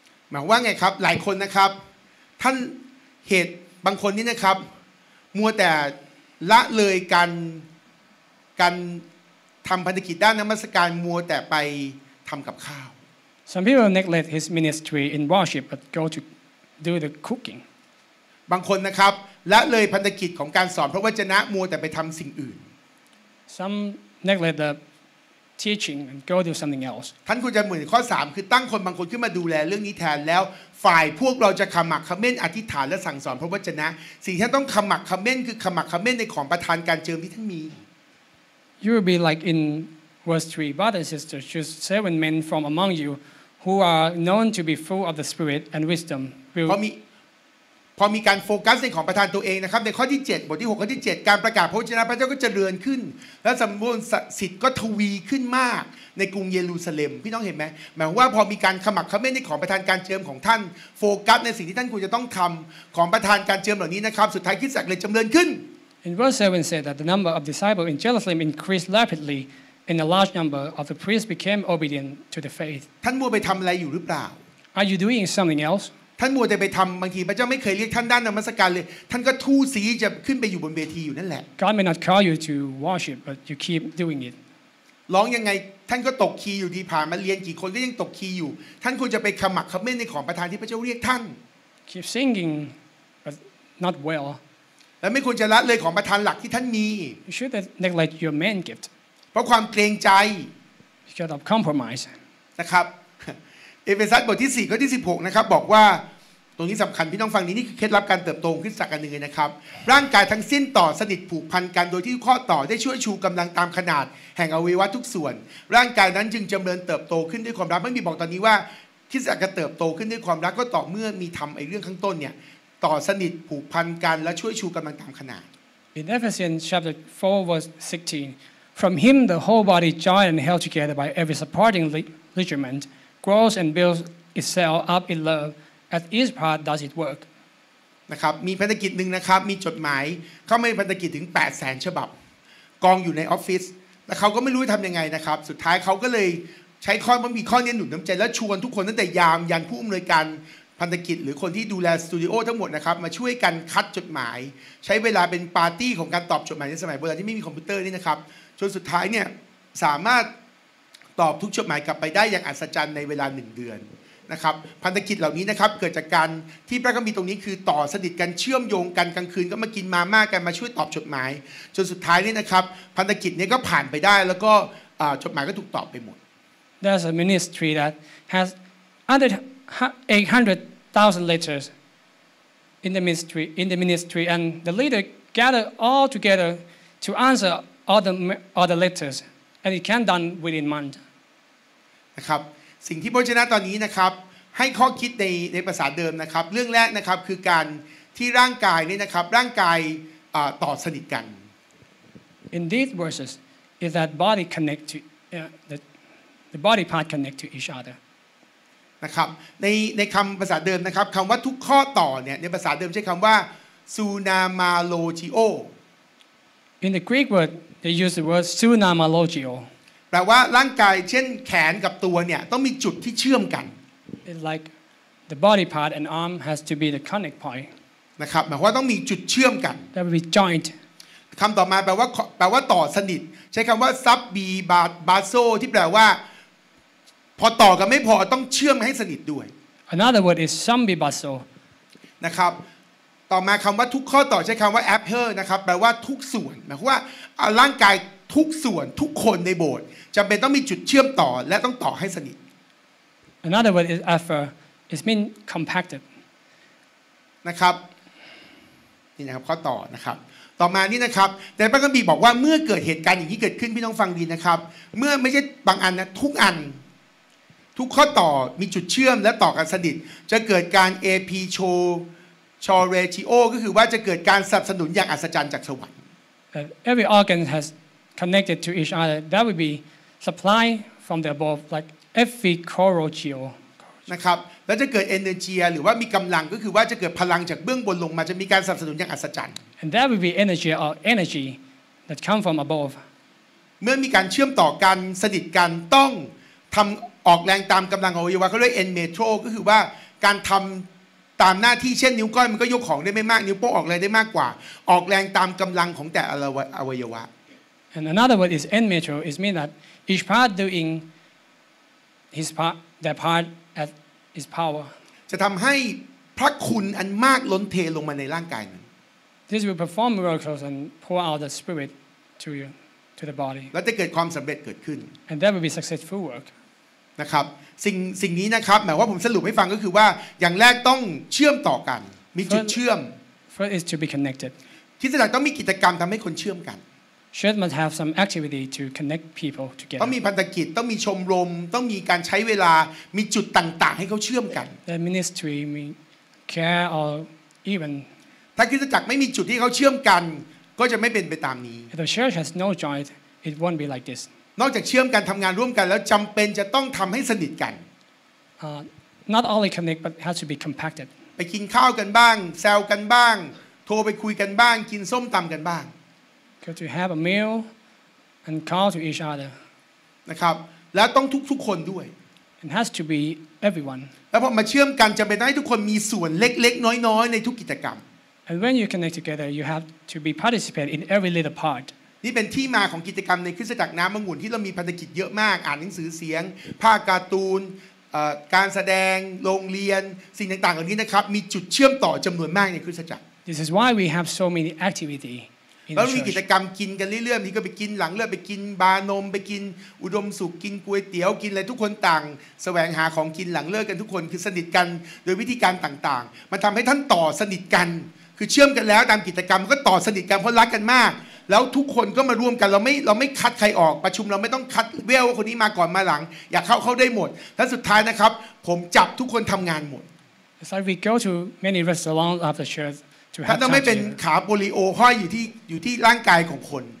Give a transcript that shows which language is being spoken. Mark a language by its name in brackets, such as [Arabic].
[Thai] หมายว่าไงครับหลายคนนะครับท่านเหตุบางคนนี่นะครับมัวแต่ละเลยการทำพันธกิจด้านนมัสการมัวแต่ไปทำกับข้าว [English] Some people neglect his ministry in worship but go to do the cooking [Thai] บางคนนะครับละเลยพันธกิจของการสอนพระวจนะมัวแต่ไปทำสิ่งอื่น [English] Some neglect theteaching and go do something else [Thai] ท่านควรจะเหมือนข้อ3คือตั้งคนบางคนขึ้นมาดูแลเรื่องนี้แทนแล้วฝ่ายพวกเราจะขมักขม้นอธิษฐานและสั่งสอนพระวจนะสิ่งที่ต้องขมักขม้นคือขมักขม้นในของประธานการเจิมที่ท่านมี [English] You will be like in verse 3 brothers and sisters choose 7 men from among you who are known to be full of the spirit and wisdom [Thai] พอมีการโฟกัสในของประธานตัวเองนะครับในข้อที่7บทที่6ข้อที่7การประกาศพระวจนะพระเจ้าก็เจริญขึ้นและสัมมวลสิทธิ์ก็ทวีขึ้นมากในกรุงเยรูซาเล็มพี่น้องเห็นไหมหมายว่าพอมีการขมักขม้นในของประธานการเจิมของท่านโฟกัสในสิ่งที่ท่านควรจะต้องทำของประธานการเจิมเหล่านี้นะครับสุดท้ายคริสตจักรเลยเจริญขึ้น [English] In verse 7 said that the number of disciples in Jerusalem increased rapidly and a large number of the priests became obedient to the faith [Thai] ท่านมัวไปทำอะไรอยู่หรือเปล่า [English] Are you doing something else [Thai] ท่านมัวแต่ไปทำบางทีพระเจ้าไม่เคยเรียกท่านด้านนมัสการเลยท่านก็ทู่สีจะขึ้นไปอยู่บนเวทีอยู่นั่นแหละ [English] God may not call you to worship but you keep doing it [Thai] ร้องยังไงท่านก็ตกคีย์อยู่ดีผ่านมาเรียนกี่คนก็ยังตกคีย์อยู่ท่านควรจะไปขมักขม้นในของประธานที่พระเจ้าเรียกท่าน [English] Keep singing but not well [Thai] และไม่ควรจะละเลยของประธานหลักที่ท่านมี [English] You should neglect your main gift [Thai] เพราะความเกรงใจ [English] Because of compromise [Thai] นะครับเอเฟซัสบทที่4ข้อที่16นะครับบอกว่าตรงนี้สำคัญพี่น้องฟังนี้นี่คือเคล็ดลับการเติบโตคริสตจักรนึงนะครับร่างกายทั้งสิ้นต่อสนิทผูกพันกันโดยที่ข้อต่อได้ช่วยชูกำลังตามขนาดแห่งอวัยวะทุกส่วนร่างกายนั้นจึงจำเริญเติบโตขึ้นด้วยความรักไม่มีบอกตอนนี้ว่าคริสตจักรเติบโตขึ้นด้วยความรักก็ต่อเมื่อมีทำไอ้เรื่องข้างต้นเนี่ย ต่อสนิทผูกพันกันและช่วยชูกำลังตามขนาด [English] In Ephesians chapter 4 verse 16 From him the whole body joined and held together by every supporting ligament grows and builds itself up in love as each part does its work [Thai] นะครับมีภารกิจหนึ่งนะครับมีจดหมายเข้ามาในภารกิจถึง 800,000 ฉบับกองอยู่ในออฟฟิศแล้วเขาก็ไม่รู้จะทำยังไงนะครับสุดท้ายเขาก็เลยใช้ข้อมันมีข้อเนี้ยหนุนน้ำใจและชวนทุกคนตั้งแต่ยามยันผู้อำนวยการพันธกิจหรือคนที่ดูแลสตูดิโอทั้งหมดนะครับมาช่วยกันคัดจดหมายใช้เวลาเป็นปาร์ตี้ของการตอบจดหมายในสมัยโบราณที่ไม่มีคอมพิวเตอร์นี่นะครับจนสุดท้ายเนี่ยสามารถ ตอบทุกจดหมายกลับไปได้อย่างอัศจรรย์ในเวลา1เดือนนะครับพันธกิจเหล่านี้นะครับเกิดจากการที่พระคัมภีร์ตรงนี้คือต่อสนิทกันเชื่อมโยงกันกลางคืนก็มากินมาม่ากันมาช่วยตอบจดหมายจนสุดท้ายนี่นะครับพันธกิจนี้ก็ผ่านไปได้แล้วก็จดหมายก็ถูกตอบไปหมด [English] There's a ministry that has under 800,000 letters in the ministry and the leader gather all together to answer all the letters and it can done within month [Thai] นะครับสิ่งที่พระเจ้าตอนนี้นะครับให้ข้อคิดในภาษาเดิมนะครับเรื่องแรกนะครับคือการที่ร่างกายนี่นะครับร่างกายต่อสนิทกัน [English] In these verses is that body connect to the body part connect to each other [Thai] นะครับในคำภาษาเดิมนะครับคำว่าทุกข้อต่อเนี่ยในภาษาเดิมใช้คำว่า sunamalogio [English] In the Greek word they use the word sunamalogio [Thai] แปลว่าร่างกายเช่นแขนกับตัวเนี่ยต้องมีจุดที่เชื่อมกัน [English] It's like the body part and arm has to be the connect point [Thai] นะครับหมายว่าต้องมีจุดเชื่อมกัน [English] That will be joint [Thai] คำต่อมาแปลว่าต่อสนิทใช้คำว่า sub b basso ที่แปลว่าพอต่อกันไม่พอต้องเชื่อมให้สนิทด้วย [English] Another word is sub b basso [Thai] นะครับต่อมาคำว่าทุกข้อต่อใช้คำว่า apher นะครับแปลว่าทุกส่วนหมายว่าร่างกายทุกส่วนทุกคนในโบสถ์จำเป็นต้องมีจุดเชื่อมต่อและต้องต่อให้สนิท [English] Another word is effer it means compacted [Thai] นะครับนี่นะครับข้อต่อนะครับต่อมานี่นะครับแต่พระคัมภีร์บอกว่าเมื่อเกิดเหตุการณ์อย่างนี้เกิดขึ้นพี่น้องฟังดีนะครับเมื่อไม่ใช่บางอันนะทุกอันทุกข้อต่อมีจุดเชื่อมและต่อกันสนิทจะเกิดการ AP choreo ก็คือว่าจะเกิดการสนับสนุนอย่างอัศจรรย์จากสวรรค์ [English] Every organ hasconnected to each other that would be supply from the above like efficorogio [Thai] นะครับแล้วจะเกิด energy หรือว่ามีกําลังก็คือว่าจะเกิดพลังจากเบื้องบนลงมาจะมีการสนับสนุนอย่างอัศจรรย์ [English] and that would be energy or energy that come from above [Thai] เมื่อมีการเชื่อมต่อกันสนิทกันต้องทําออกแรงตามกําลังของอวัยวะเค้าเรียก enmetro ก็คือว่าการทําตามหน้าที่เช่นนิ้วก้อยมันก็ยกของได้ไม่มากนิ้วโป้งออกแรงได้มากกว่าออกแรงตามกําลังของแต่อวัยวะ [English] And another word is enmetro. It means that each part doing his part, their part at his power. [Thai] จะทำให้พระคุณอันมากล้นเทลงมาในร่างกายนั้น [English] This will perform miracles and pour out the spirit to you, to the body. [Thai] แล้วจะเกิดความสำเร็จเกิดขึ้น [English] And that will be successful work. [Thai] นะครับสิ่งนี้นะครับหมายว่าผมสรุปให้ฟังก็คือว่าอย่างแรกต้องเชื่อมต่อกันมีจุดเชื่อม [English] First is to be connected. [Thai] ที่สำคัญต้องมีกิจกรรมทำให้คนเชื่อมกัน [English] Should must have some activity to connect people together. [Thai] ต้องมีพันธกิจต้องมีชมรมต้องมีการใช้เวลามีจุดต่างๆให้เขาเชื่อมกัน [English] The ministry may care or even [Thai] ถ้าคริสตจักรไม่มีจุดที่เขาเชื่อมกันก็จะไม่เป็นไปตามนี้ [English] If the church has no joint, it won't be like this. [Thai] นอกจากเชื่อมกันทำงานร่วมกันแล้วจำเป็นจะต้องทำให้สนิทกัน [English] Not only connect but has to be compacted. [Thai] ไปกินข้าวกันบ้างแซวกันบ้างโทรไปคุยกันบ้างกินส้มตำกันบ้าง [English] ก็ to have a meal and call to each other [Thai] นะครับและต้องทุกคนด้วย [English] and has to be everyone [Thai] แล้วพอมาเชื่อมกันจะเป็นให้ทุกคนมีส่วนเล็กๆน้อยๆในทุกกิจกรรม [English] and when you connect together you have to be participate in every little part [Thai] นี่เป็นที่มาของกิจกรรมในคริสตจักรน้ำมงุ่นที่เรามีภารกิจเยอะมากอ่านหนังสือเสียงภาคการ์ตูนการแสดงโรงเรียนสิ่งต่างๆเหล่านี้นะครับมีจุดเชื่อมต่อจำนวนมากในคริสตจักร [English] this is why we have so many activity [Thai] แล้วมีกิจกรรมกินกันเรื่อยๆนี่ก็ไปกินหลังเลิกไปกินบานมไปกินอุดมสุขกินก๋วยเตี๋ยวกินอะไรทุกคนต่างแสวงหาของกินหลังเลิกกันทุกคนคือสนิทกันโดยวิธีการต่างๆมันทำให้ท่านต่อสนิทกันคือเชื่อมกันแล้วตามกิจกรรมก็ต่อสนิทกันเพราะรักกันมากแล้วทุกคนก็มาร่วมกันเราไม่คัดใครออกประชุมเราไม่ต้องคัดเวลว่าคนนี้มาก่อนมาหลังอยากเข้าได้หมดและสุดท้ายนะครับผมจับทุกคนทำงานหมด [English] It's like we go to many restaurants after church to have time. [Thai] ต้องไม่เป็นขาโปลิโอห้อยอยู่ที่ร่างกายของคน